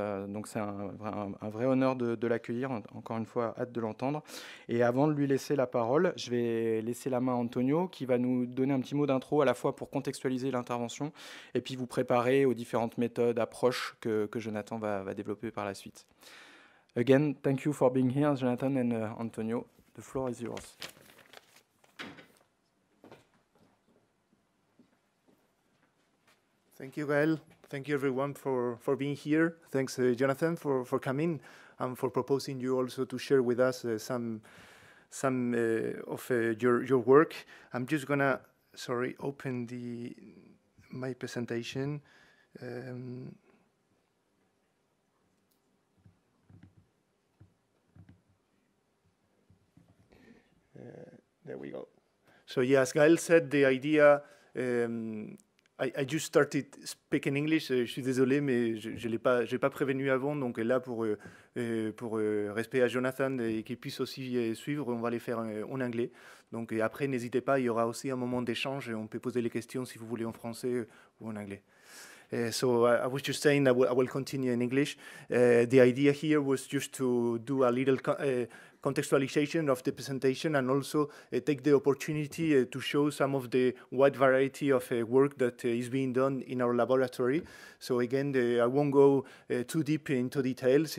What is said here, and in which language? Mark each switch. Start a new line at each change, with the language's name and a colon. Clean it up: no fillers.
French: Donc, c'est un vrai honneur de l'accueillir. Encore une fois, hâte de l'entendre. Et avant de lui laisser la parole, je vais laisser la main à Antonio, qui va nous donner un petit mot d'intro, à la fois pour contextualiser l'intervention et puis vous préparer aux différentes méthodes, approches que Jonathan va développer par la suite.
English: Again, thank you for being here, Jonathan and Antonio. The floor is yours. Thank you, Gael. Thank you, everyone, for being here. Thanks, Jonathan, for coming and for proposing you also to share with us some of your work. I'm just gonna, open my presentation. There we go. So yeah, as Gael said, the idea, I just started speaking English.
French: Je suis désolé, mais je l'ai pas prévenu avant. Donc là, pour respect à Jonathan et qu'il puisse aussi suivre, on va les faire en anglais. Donc après, n'hésitez pas, il y aura aussi un moment d'échange et on peut poser les questions si vous voulez en français ou en anglais.
English: So I was just saying that I will continue in English. The idea here was just to do a little contextualization of the presentation and also take the opportunity to show some of the wide variety of work that is being done in our laboratory. So again, I won't go too deep into details.